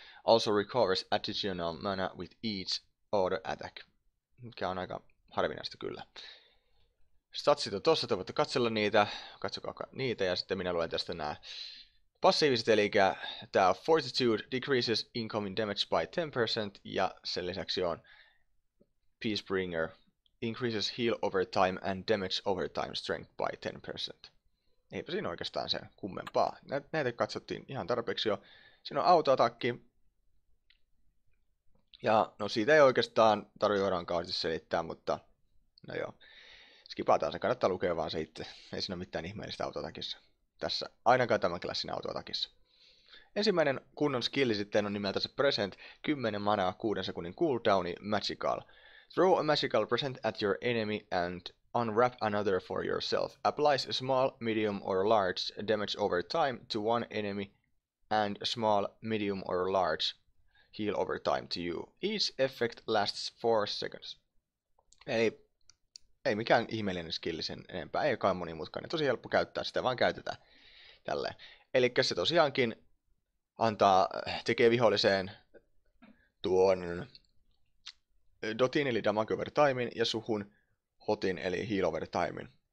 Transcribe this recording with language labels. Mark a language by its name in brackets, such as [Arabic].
[English] Also recovers additional mana with each order attack, [Finnish] mikä on aika harvinaista kyllä. Statsit on tuossa, te voitte katsella niitä, katsokaa niitä, ja sitten minä luen tästä nämä passiiviset, eli tämä [English] Fortitude decreases incoming damage by 10%, [Finnish] ja sen lisäksi on Peacebringer. [English] Increases heal over time and damage over time strength by 10%. [Finnish] Eipä siinä oikeastaan sen kummempaa. Näitä katsottiin ihan tarpeeksi jo. Siinä on autoatakki. Ja no siitä ei oikeastaan tarvitse rankaasti selittää, mutta no joo. Skipataan se, kannattaa lukea vaan se itse. Ei siinä ole mitään ihmeellistä autoatakissa. Tässä ainakaan tämän klassin autoatakissa. Ensimmäinen kunnon skilli sitten on nimeltä se present. 10 manaa 6 sekunnin cooldowni magical. [English] Throw a magical present at your enemy and unwrap another for yourself. Applies small, medium or large damage over time to one enemy and small, medium or large heal over time to you. Each effect lasts 4 seconds. [Finnish] Eli ei mikään ihmeellinen skilli sen enempää, ei kai monimutkainen. Tosi helppo käyttää sitä, vaan käytetään tälleen. Elikkä se tosiaankin tekee viholliseen tuon dotin eli damage over timein ja suhun hotin eli heal over timein.